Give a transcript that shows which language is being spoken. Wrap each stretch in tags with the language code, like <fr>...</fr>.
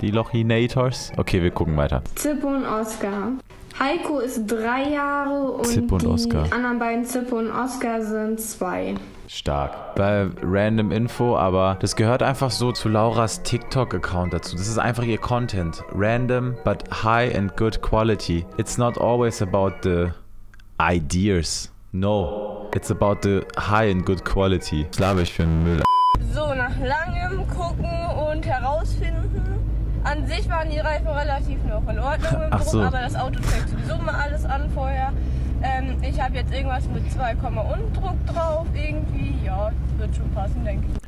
<de>Die Lochinators? Okay, wir gucken weiter. Zippo und Oscar. Heiko ist 3 Jahre und die Oscar. Anderen beiden Zippo und Oscar sind 2. Stark. Bei random Info, aber das gehört einfach so zu Lauras TikTok-Account dazu. Das ist einfach ihr Content.</de> <en>Random, but high and good quality. It's not always about the ideas. No. It's about the high and good quality.</en> <de>Das laber ich für einen Müll. So, nach langem Gucken und Herausfinden. An sich waren die Reifen relativ noch in Ordnung. Ach so. Aber das Auto zeigt sowieso mal alles an vorher. Ich habe jetzt irgendwas mit 2, und Druck drauf irgendwie. Ja, wird schon passen, denke ich.</de>